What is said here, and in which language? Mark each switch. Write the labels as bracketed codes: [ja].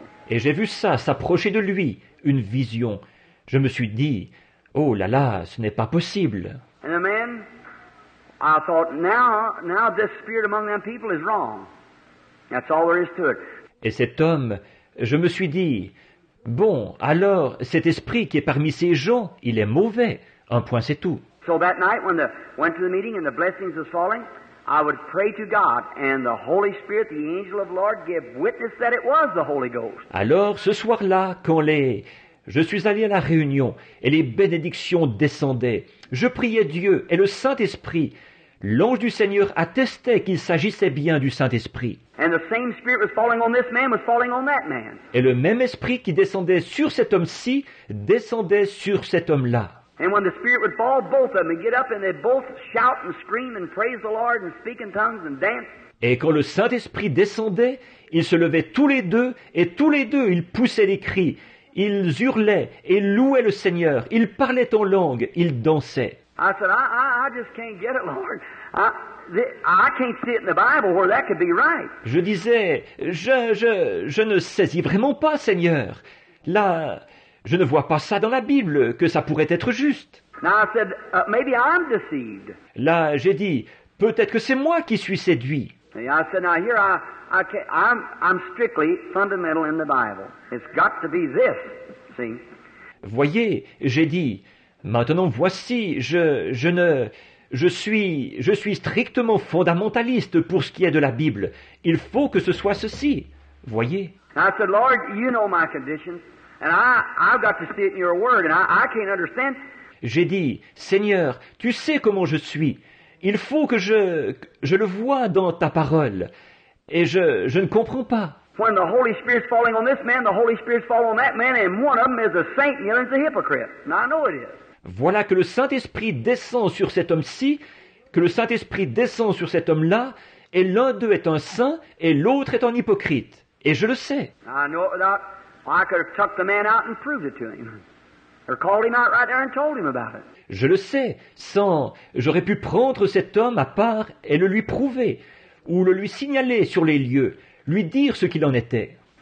[fr] Et j'ai vu ça s'approcher de lui, une vision. Je me suis dit, oh là là, ce n'est pas possible. [en] And the man, I thought, now this spirit among them people is wrong. That's all there is to it. [fr] Et cet homme, je me suis dit, bon, alors, cet esprit qui est parmi ces gens, il est mauvais. Un point, c'est tout. [en] So that night, when I went to the meeting and the blessings were falling, I would pray to God, and the Holy Spirit, the angel of the Lord, gave witness that it was the Holy Ghost. [fr] Alors, ce soir-là, quand je suis allé à la réunion, et les bénédictions descendaient, je priais Dieu et le Saint-Esprit. L'ange du Seigneur attestait qu'il s'agissait bien du Saint-Esprit. [en] And the same spirit was falling on this man was falling on that man. [fr] Et le même esprit qui descendait sur cet homme-ci descendait sur cet homme-là. [en] And when the spirit would fall, both of them would get up and they both shout and scream and praise the Lord and speak in tongues and dance. [fr] Et quand le Saint-Esprit descendait, ils se levaient tous les deux et tous les deux ils poussaient des cris. Ils hurlaient et louaient le Seigneur. Ils parlaient en langue. Ils dansaient. [en] I said, I just can't get it, Lord. I can't see it in the Bible where that could be right. [fr] Je disais, je ne saisis vraiment pas, Seigneur. Là, je ne vois pas ça dans la Bible, que ça pourrait être juste. [en] Now I said, maybe I'm deceived. [fr] Là, j'ai dit, peut-être que c'est moi qui suis séduit. [en] I said, now here I'm strictly fundamental in the Bible. It's got to be this, see. [fr] Voyez, j'ai dit, maintenant voici, je suis strictement fondamentaliste pour ce qui est de la Bible. Il faut que ce soit ceci. Voyez. [en] I said, Lord, you know my condition, and I've got to see it in your word, and I can't understand. [fr] J'ai dit, Seigneur, tu sais comment je suis. Il faut que je le voie dans ta parole, et je ne comprends pas. [en] When the Holy Spirit's falling on this man, the Holy Spirit's falling on that man, and one of them is a saint and the other is a hypocrite. And I know it is. [fr] Voilà que le Saint-Esprit descend sur cet homme-ci, que le Saint-Esprit descend sur cet homme-là, et l'un d'eux est un saint et l'autre est un hypocrite. Et je le sais. [en] I know that. I could have tucked the man out and proved it to him. Or called him out right there and told him about it. [fr] Je le sais, sans, j'aurais pu prendre cet homme à part et le lui prouver, ou le lui signaler sur les lieux, lui dire ce qu'il en était.